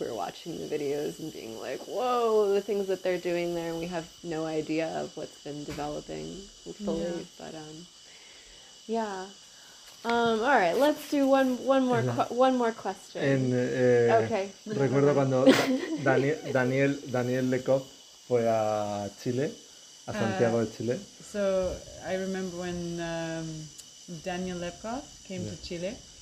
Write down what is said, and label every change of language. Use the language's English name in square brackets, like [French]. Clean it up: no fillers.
[English] We were watching the videos and being like, whoa, the things that they're doing there. We have no idea of what's been developing fully, but all right, let's do one more question. [Spanish] Recuerdo cuando Daniel Lecoq fue a Chile. Santiago de Chile. [English] So I remember when Daniel Lepkoff came to Chile.